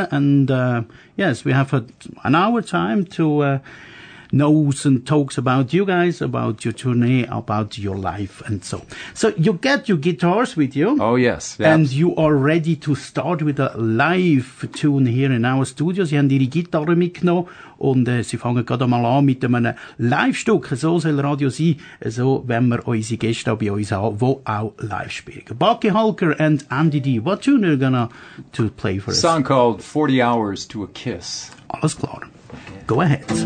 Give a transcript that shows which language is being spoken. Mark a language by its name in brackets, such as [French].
[English] And yes, we have an hour time to know some talks about you guys, about your tourney, about your life and so. So you get your guitars with you. Oh, yes. Yep. And you are ready to start with a live tune here in our studio. [German] Sie haben ihre Gitarre mitgenommen und sie fangen gerade mal an mit einem Live-Stück. So soll Radio sein, so wenn wir unsere Gäste bei uns haben, wo auch live spielen. [English] Bucky Holger and Andy D, what tune are you gonna to play for us? Song called 40 Hours to a Kiss. [German] Alles klar. [English] Go ahead.